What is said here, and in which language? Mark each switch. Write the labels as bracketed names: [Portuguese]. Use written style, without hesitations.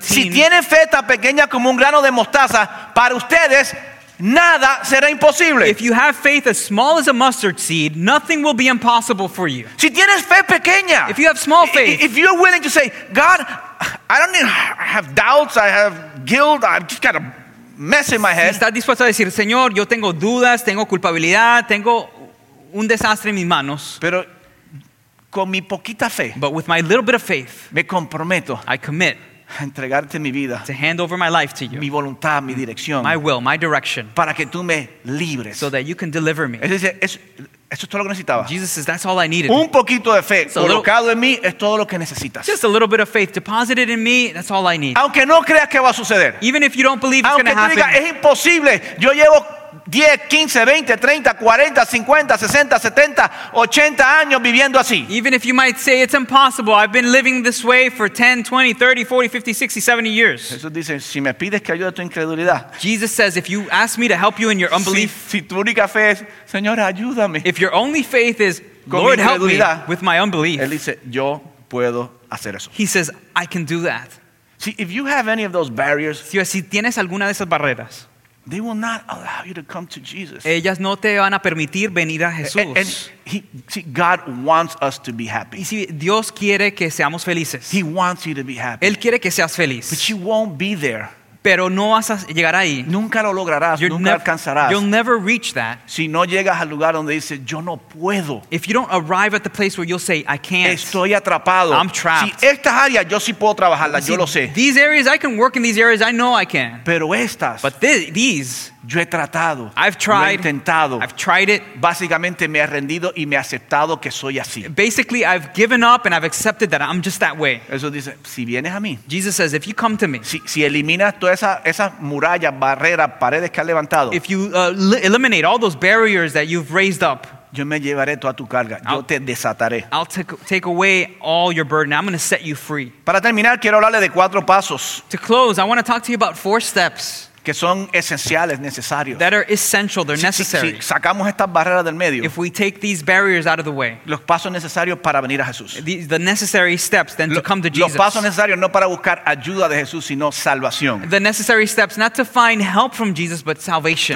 [Spanish] Si tienes fe tan pequeña como un grano de mostaza, para ustedes nada será imposible. [English] If you have faith as small as a mustard seed, nothing will be impossible for you. [Spanish] Si tienes fe pequeña. [English] If you have small faith. If you're willing to say, God, I don't even have doubts, I have guilt, I've just got a mess in my head. [Spanish] Si estás dispuesto a decir, Señor, yo tengo dudas, tengo culpabilidad, tengo un desastre en mis manos. Pero con mi poquita fe. [English] But with my little bit of faith. [Spanish] Me comprometo. [English] I commit. [Spanish] A entregarte mi vida. [English] To hand over my life to you. [Spanish] Mi voluntad, mi dirección. [English] My will, my direction. [Spanish] Para que tú me libres. [English] So that you can deliver me. [Spanish] Es decir, eso es todo lo que necesitaba. [English] Jesus says, that's all I needed. [Spanish] Un poquito de fe colocado en mí es todo lo que necesitas. [English] Just a little bit of faith deposited in me, that's all I need. [Spanish] Aunque no creas que va a suceder. [English] Even if you don't believe it's going to happen. [Spanish] Aunque tú digas, es imposible. Yo llevo 10, 15, 20, 30, 40, 50, 60, 70, 80 años viviendo así. [English] Even if you might say it's impossible, I've been living this way for 10, 20, 30, 40, 50, 60, 70 years. [Spanish] Jesús dice, si me pides que ayude a tu incredulidad. [English] Jesus says, if you ask me to help you in your unbelief. [Spanish] Si tu única fe es, Señor, ayúdame. [English] If your only faith is, Lord, help me with my unbelief. [Spanish] Él dice, yo puedo hacer eso. [English] He says, I can do that. See, if you have any of those barriers, [Spanish] si tienes alguna de esas barreras, [English] they will not allow you to come to Jesus. [Spanish] Ellas no te van a permitir venir a Jesús. [English] And he, see, God wants us to be happy. [Spanish] Y si Dios quiere que seamos felices. [English] He wants you to be happy. [Spanish] Él quiere que seas feliz. [English] But you won't be there. [Spanish] Pero no vas a llegar ahí. Nunca lo lograrás. [English] You're [Spanish] nunca alcanzarás. [English] You'll never reach that. [Spanish] Si no llegas al lugar donde dices, yo no puedo. [English] If you don't arrive at the place where you'll say, I can't. [Spanish] Estoy atrapado. [English] I'm trapped. [Spanish] Si estas áreas yo sí puedo trabajarlas, yo lo sé. [English] These areas, I can work in these areas, I know I can. [Spanish] Pero estas. [English] But these. [Spanish] Yo he tratado. [English] I've tried. [Spanish] Lo he intentado. [English] I've tried it. [Spanish] Básicamente me he rendido y me he aceptado que soy así. [English] Basically, I've given up and I've accepted that I'm just that way. [Spanish] Eso dice, si vienes a mí. [English] Jesus says, if you come to me. [Spanish] Si eliminas todas esas murallas, barreras, paredes que has levantado. [English] If you eliminate all those barriers that you've raised up. [Spanish] Yo me llevaré toda tu carga. Yo te desataré. [English] I'll take away all your burden. I'm going to set you free. [Spanish] Para terminar, quiero hablarle de cuatro pasos. [English] To close, I want to talk to you about four steps. [Spanish] Que son esenciales, necesarios. [English] That are essential, they're necessary. [Spanish] Si sacamos estas barreras del medio. [English] If we take these barriers out of the way. [Spanish] Los pasos necesarios para venir a Jesús. [English] The necessary steps then to come to Jesus. [Spanish] Los pasos necesarios no para buscar ayuda de Jesús, sino salvación. [English] The necessary steps not to find help from Jesus, but salvation.